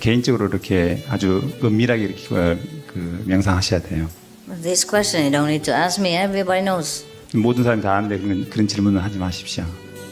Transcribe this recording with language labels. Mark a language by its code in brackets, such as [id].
[ko] 개인적으로 이렇게 아주 은밀하게 이렇게 명상하셔야 돼요. [en] This question you don't need to ask me, everybody knows. [ko] 모든 사람이 다 아는데 그런 질문은 하지 마십시오.